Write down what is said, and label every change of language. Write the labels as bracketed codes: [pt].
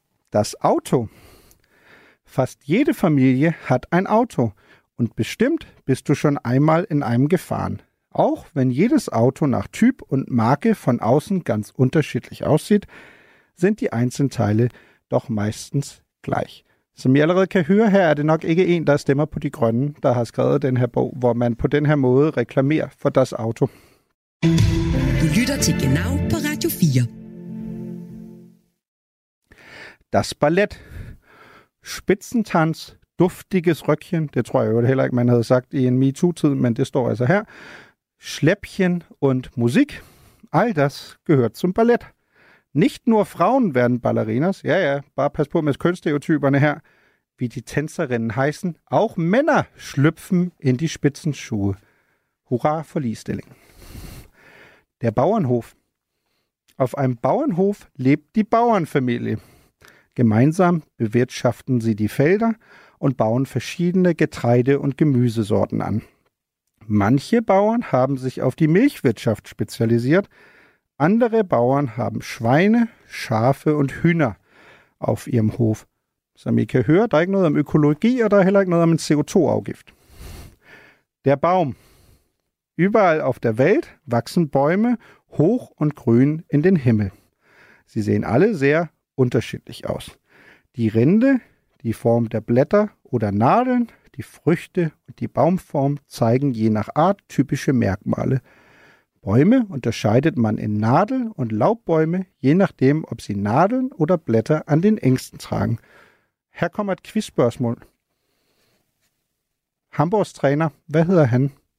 [de] Das Auto. Fast jede Familie hat ein Auto. Und bestimmt bist du schon einmal in einem gefahren. Auch wenn jedes Auto nach Typ und Marke von außen ganz unterschiedlich aussieht, sind die Einzelteile doch meistens gleich. [da] Som I allerede kan høre her, er det nok ikke en, der stemmer på de grønne, der har skrevet den her bog, hvor man på den her måde reklamerer for [de] Das Auto. [da] Du lytter til Genau på Radio 4. [de] Das Ballett. Spitzentanz. Duftiges Röckchen, [da] det tror jeg jo heller ikke, man havde sagt i en MeToo-tid, men det står altså her. [de] Schläppchen und Musik, all das gehört zum Ballett. Nicht nur Frauen werden Ballerinas, ja ja, [da] bare pas på med kønsstereotyperne her, [de] wie die Tänzerinnen heißen, auch Männer schlüpfen in die Spitzenschuhe. Hurra für Liestelling. Der Bauernhof. Auf einem Bauernhof lebt die Bauernfamilie. Gemeinsam bewirtschaften sie die Felder und bauen verschiedene Getreide- und Gemüsesorten an. Manche Bauern haben sich auf die Milchwirtschaft spezialisiert, andere Bauern haben Schweine, Schafe und Hühner auf ihrem Hof. [da] Som I kan høre, der er ikke noget om økologi, og der er heller ikke noget om en CO2-afgift. [de] Der Baum. Überall auf der Welt wachsen Bäume hoch und grün in den Himmel. Sie sehen alle sehr unterschiedlich aus. Die Rinde, die Form der Blätter oder Nadeln, die Früchte und die Baumform zeigen je nach Art typische Merkmale. Bäume unterscheidet man in Nadel- und Laubbäume, je nachdem, ob sie Nadeln oder Blätter an den Ängsten tragen. [da] Her kommer et quizspørgsmål. Hamburgs træner, hvad hedder han?